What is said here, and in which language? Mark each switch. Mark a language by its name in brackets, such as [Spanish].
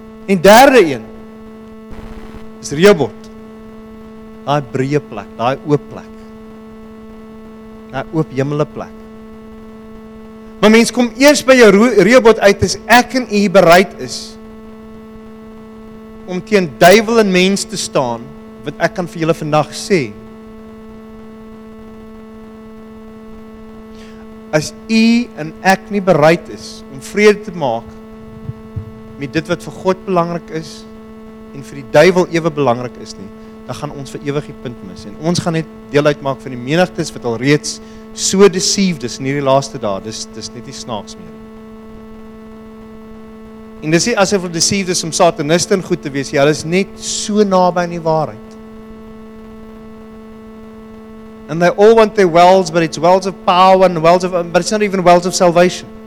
[Afrikaans] En derde een is Rehoboth. Daai breë plek, daai oop plek. Daai oop hemele plek. Maar mens kom eers by jou Rehoboth uit as ek en u bereid is om teen duivel en mens te staan, wat ek kan vir julle vandag sê. As u en ek nie bereid is om vrede te maak met dit wat vir God belangrik is en vir die duivel ewe belangrik is nie, dan gaan ons vir ewig die punt mis. En ons gaan net deel uitmaak van die menigtes wat al reeds so deceived is in hierdie laaste dae. Dis net nie snaaks meer. En dis nie asof deceived is om sataniste en goed te wees. Jy is net so naby aan die waarheid. [English] And they all want their wells, but it's wells of power and wells of, but it's not even wells of salvation.